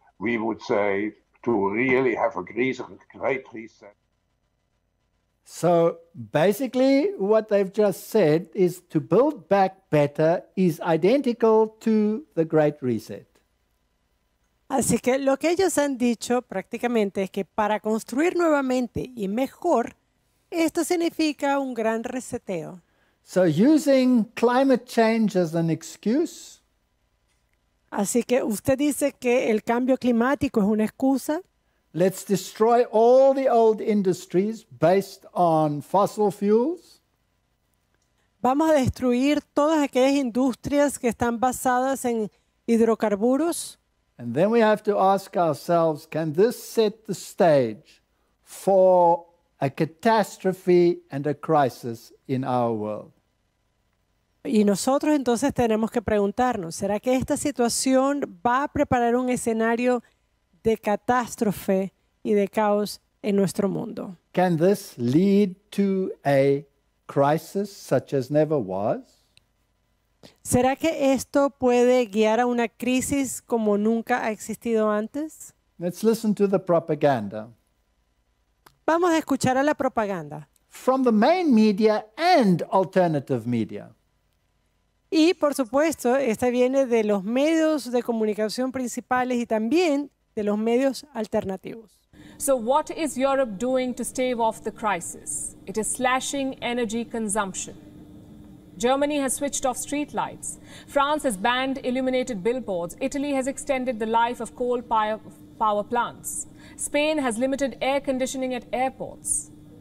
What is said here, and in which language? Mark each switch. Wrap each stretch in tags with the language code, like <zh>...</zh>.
<en>We would say to really have a great reset. So basically what they've just said is to build back better is identical to the great reset.</en> <es>Así que lo que ellos han dicho prácticamente es que para construir nuevamente y mejor, esto significa un gran reseteo.</es> <en>So using climate change as an excuse.</en> <es>Así que usted dice que el cambio climático es una excusa.</es> <en>Let's destroy all the old industries based on fossil fuels.</en> <es>Vamos a destruir todas aquellas industrias que están basadas en hidrocarburos.</es> <en>And then we have to ask ourselves, can this set the stage for a catastrophe and a crisis in our world?</en> <es>Y nosotros entonces tenemos que preguntarnos, ¿será que esta situación va a preparar un escenario de catástrofe y de caos en nuestro mundo?</es> <en>Can this lead to a crisis such as never was?</en> <es>¿Será que esto puede guiar a una crisis como nunca ha existido antes?</es> <en>Let's listen to the propaganda.</en> <es>Vamos a escuchar a la propaganda.</es> <en>From the main media and alternative media.</en> <es>Y, por supuesto, esta viene de los medios de comunicación principales y también de los medios alternativos.</es> <en>So what is Europe doing to stave off the crisis? It is slashing energy consumption. Germany has switched off street lights. France has banned illuminated billboards. Italy has extended the life of coal power plants. Spain has limited air conditioning at airports.</en>